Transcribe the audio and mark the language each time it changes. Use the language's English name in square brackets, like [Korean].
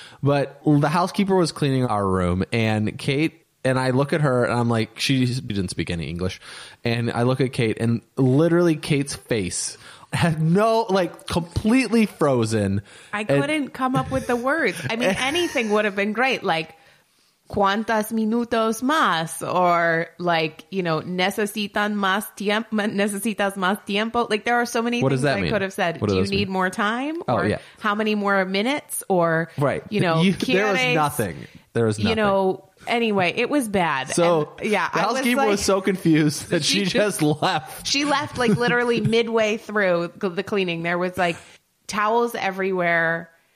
[English] But the housekeeper was cleaning our room and Kate and I look at her and I'm like, she didn't speak any English. And I look at Kate and literally Kate's face had no, like, completely frozen. I couldn't come up with the words. I mean, anything would have been great. [Spanish] Like, ¿cuántos minutos más? [English] Or like, you know, [Spanish] necesitas más tiempo? [English] Like, there are so many things that I could have said. Do you need more time? Oh, yeah. How many more minutes? Or, right. You know, there was nothing. There was nothing. You know, anyway, it was bad. So, the housekeeper was so confused that she just left. She left like literally midway through the cleaning. There was like towels everywhere.